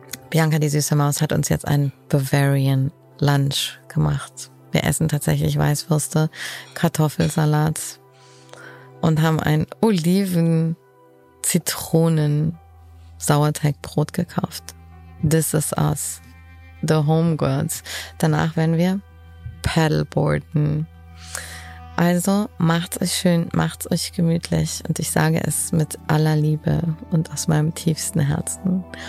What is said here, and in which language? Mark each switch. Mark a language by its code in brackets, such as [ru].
[de] Bianca, die süße Maus, hat uns jetzt ein Bavarian Lunch gemacht. Wir essen tatsächlich Weißwürste, Kartoffelsalat und haben ein Oliven-Zitronen-Sauerteigbrot gekauft. [en] This is us, the homegirls. [de] Danach werden wir paddleboarden. Also macht's euch schön, macht's euch gemütlich und ich sage es mit aller Liebe und aus meinem tiefsten Herzen.